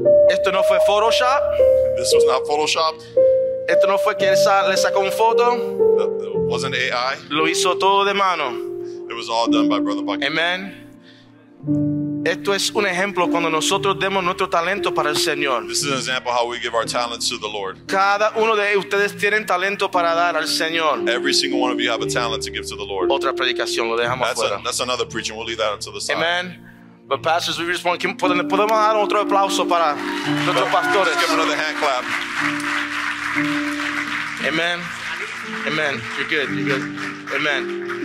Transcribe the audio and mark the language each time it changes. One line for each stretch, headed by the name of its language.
Spanish: Esto no fue Photoshop.
English: This was not Photoshopped.
Spanish: Esto no fue que le sacó una foto.
English: It wasn't AI.
Spanish: Lo hizo todo de mano.
English: It was all done by Brother Buck. Amen.
Spanish: Esto es un ejemplo cuando nosotros demos nuestro talento para el Señor.
English: This is an example how we give our talents to the Lord.
Spanish: Cada uno de ustedes tienen talento para dar al Señor.
English: Every single one of you have a talent to give to the Lord.
Spanish: Otra predicación, lo dejamos
English: that's
Spanish: fuera.
English: That's another preaching. We'll leave that until the side. Amen. But pastors, we respond.
Spanish: ¿Podemos dar otro aplauso para nuestros pastores?
English: Let's give another hand clap. Amen. Amen. You're good. You're good. Amen.